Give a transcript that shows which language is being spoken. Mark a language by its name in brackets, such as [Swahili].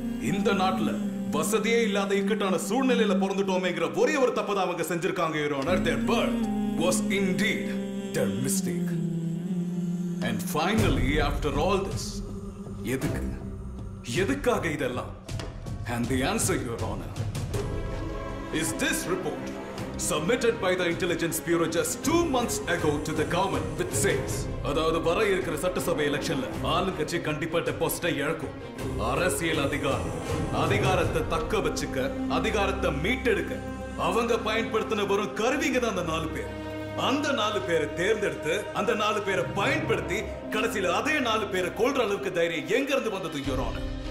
[Tamil] இந்த நாட்டுல வசதியே இல்லாத இக்கட்டான சூழ்நிலையில பிறந்துட்டோமேங்கிற ஒரே ஒரு தப்பு தான் அவங்க செஞ்சிருக்காங்க [English] Your honour. Their birth was indeed their mistake. And finally after all this, [Tamil] எதுக்கு எதுக்காக இதெல்லாம்? [English] And the answer, Your Honor, is this report submitted by the intelligence bureau just 2 months ago to the government, which says [Tamil] அதாவது வர இருக்கிற சட்டசபை எலெக்ஷன்ல ஆளுங்கட்சி கண்டிப்பா டெபாசிட்டை இழக்கும். அரசியல் அதிகாரம் அதிகாரத்தை தக்க வச்சுக்க, அதிகாரத்தை மீட்டெடுக்க அவங்க பயன்படுத்தின வரும் கருவிங்க தான் அந்த நாலு பேர். அந்த நாலு பேரை தேர்ந்தெடுத்து அந்த நாலு பேரை பயன்படுத்தி கடைசியில் அதே நாலு பேரை கொல்ற அளவுக்கு தைரியம் எங்க இருந்து வந்தது?